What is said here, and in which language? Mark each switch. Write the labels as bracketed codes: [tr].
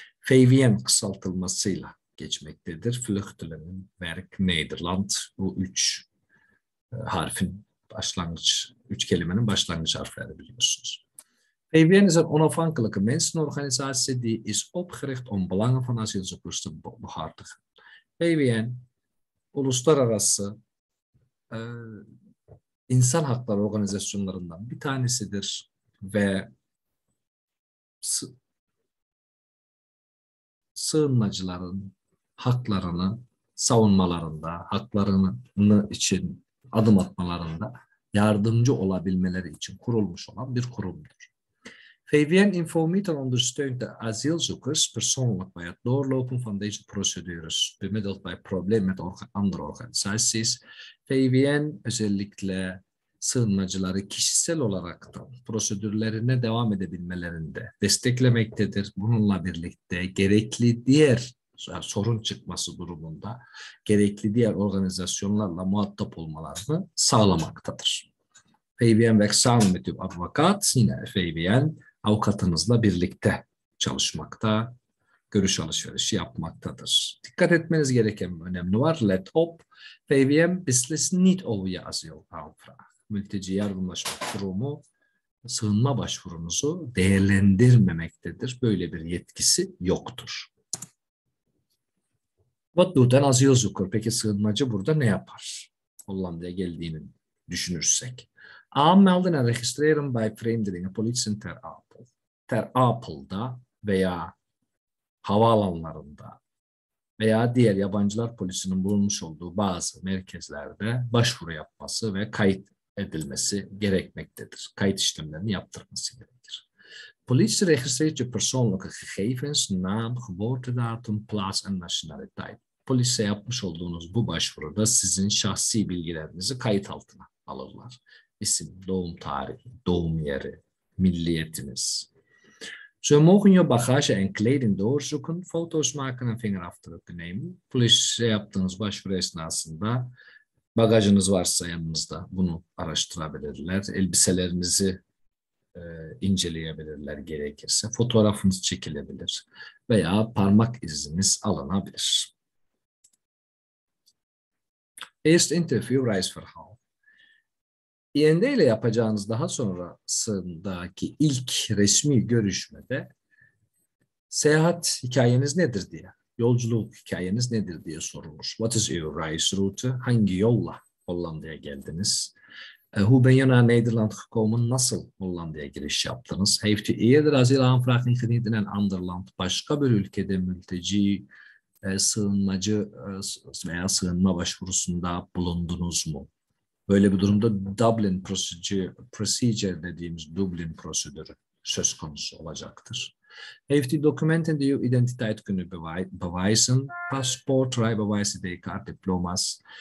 [tr] VVN kısaltılmasıyla geçmektedir. Vluchtelingenwerk Nederland, bu üç harfin başlangıç, üç kelimenin başlangıç harfleri biliyorsunuz. [nl] VVN is een onafhankelijke mensenorganisatie die is opgericht om belangen van asielzoekers te behartigen. [tr] VVN, uluslararası insan hakları organizasyonlarından bir tanesidir ve sığınmacıların haklarını savunmalarında, haklarını için adım atmalarında yardımcı olabilmeleri için kurulmuş olan bir kurumdur. [nl] VBN informiert en ondersteunt de asielzoekers persoonlijk bij het doorlopen van deze procedures, bemiddeld bij problemen met andere organisaties. [tr] VBN özellikle sığınmacıları kişisel olarak da prosedürlerine devam edebilmelerinde desteklemektedir. Bununla birlikte gerekli diğer sorun çıkması durumunda gerekli diğer organizasyonlarla muhatap olmalarını sağlamaktadır. VBN ve Samimetim Avukat, yine VBN avukatınızla birlikte çalışmakta, görüş alışverişi yapmaktadır. Dikkat etmeniz gereken önemli var. [nl] Let op, VBN beslist niet over je asielaanvraag. [tr] Mülteci Yardımlaşma Kurumu sığınma başvurunuzu değerlendirmemektedir. Böyle bir yetkisi yoktur. [nl] Wat doet een asielzoeker? [tr] Peki sığınmacı burada ne yapar? Hollanda'ya geldiğini düşünürsek. [nl] Aanmelden en registreren bij vreemdelingenpolitie ter Apel. [tr] Ter Apel'da veya havaalanlarında veya diğer yabancılar polisinin bulunmuş olduğu bazı merkezlerde başvuru yapması ve kayıt edilmesi gerekmektedir. Kayıt işlemlerini yaptırması gerekir. [nl] Polis registreert je persoonlijke gegevens, naam, geboortedatum, plaats en nationaliteit. [tr] Polise yapmış olduğunuz bu başvuruda sizin şahsi bilgilerinizi kayıt altına alırlar. İsim, doğum tarihi, doğum yeri, milliyetiniz. [nl] Ze mogen je bagage en kleding doorzoeken, foto's maken en vingerafdrukken nemen. [tr] Polise yaptığınız başvuru esnasında bagajınız varsa yanınızda bunu araştırabilirler. Elbiselerinizi inceleyebilirler gerekirse. Fotoğrafınız çekilebilir veya parmak iziniz alınabilir. [nl] Eerst interview reisverhaal. [tr] IND ile yapacağınız daha sonrasındaki ilk resmi görüşmede seyahat hikayeniz nedir diye. Yolculuk hikayeniz nedir diye sorulmuş. [en] What is your reisroute? [tr] Hangi yolla Hollanda'ya geldiniz? [nl] Hoe ben je naar Nederland gekomen? [tr] Nasıl Hollanda'ya giriş yaptınız? [nl] Heeft u eerder asiel aanvraag ingediend in een ander land? [tr] Başka bir ülkede mülteci, sığınmacı veya sığınma başvurusunda bulundunuz mu? Böyle bir durumda Dublin procedure dediğimiz Dublin prosedürü söz konusu olacaktır. [nl] Heeft u documenten die uw identiteit kunnen bewijzen? Paspoort, rijbewijs, ID-kaart, diploma's.